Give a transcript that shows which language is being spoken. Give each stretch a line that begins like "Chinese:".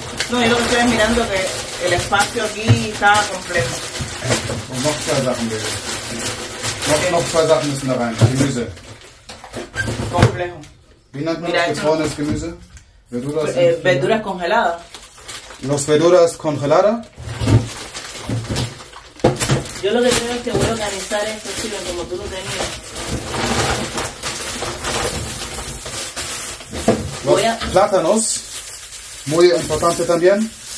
Spanish: No, yo lo que estoy mirando que el espacio aquí está completo.
German: Und noch zwei Sachen, bitte. Noch zwei Sachen müssen da rein. Gemüse.
Spanish: Complejo.
German: Wie nennt man das gefrorenes Gemüse?
Spanish: Verduras. Verduras congeladas. Los verduras congeladas. Yo lo que creo es que voy a organizar esto, chico, como tú lo tenías. Los plátanos. Muy importante también.